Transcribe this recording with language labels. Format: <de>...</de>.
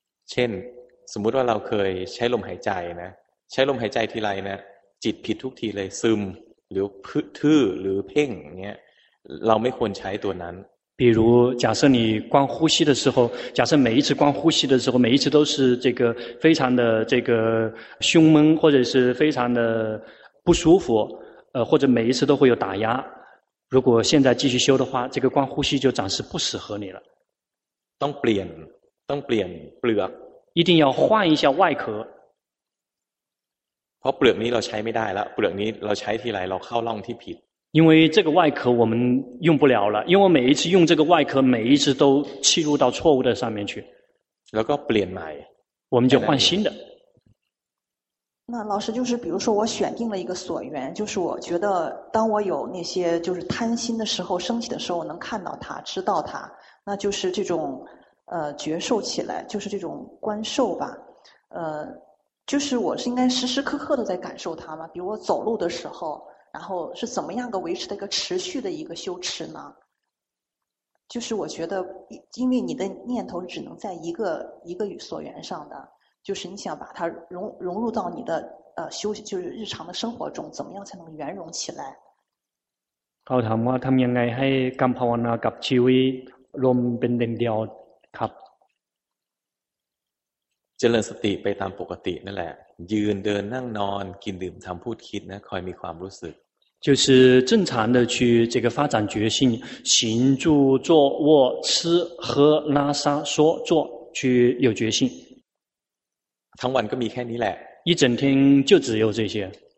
<th>เช่นสมมติว่าเราเคยใช้ลมหายใจนะใช้ลมหายใจทีไรนะจิตผิดทุกทีเลยซึมหรือทื่อหรือเพ่งเนี่ยเราไม่ควรใช้ตัวนั้น</th> <zh>比如假设你观呼吸的时候假设每一次观呼吸的时候每一次都是这个非常的这个胸闷或者是非常的不舒服或者每一次都会有打压如果现在继续修的话这个观呼吸就暂时不适合你了</zh> <th>ต้องเปลี่ยนเปลือก</th> <zh>一定要换一下外壳</zh> <th>เพราะเปลือกนี้เราใช้ไม่ได้แล้วเปลือกนี้เราใช้ทีไรเราเข้าล่องที่ผิด</th> <zh>因为这个外壳我们用不了了，因为每一次用这个外壳，每一次都侵入到错误的上面去。然后变买，我们就换新的。那老师就是，比如说我选定了一个所缘，就是我觉得当我有那些就是贪心的时候升起的时候，我能看到它，知道它，那就是这种觉受起来，就是这种观受吧，就是我是应该时时刻刻的在感受它吗？比如我走路的时候，然后是怎么样个维持的一个持续的一个修持呢？就是我觉得因为你的念头只能在一个所缘上的，就是你想把它融入到你的修就是日常的生活中，怎么样才能圆融起来？</zh> <th>เขาถามว่าทำยังไงให้การภาวนากับชีวิตรวมเป็นเดียวครับ เจริญสติไปตามปกตินั่นแหละยืนเดินนั่งนอนกินดื่มทำพูดคิดนะคอยมีความรู้สึก</th> <zh>就是正常的去这个发展觉性行住坐卧吃喝拉撒说做去有觉性</zh> <th>ทั้งวันก็มีแค่นี้แหละ</th> <zh>一整天就只有这些</zh>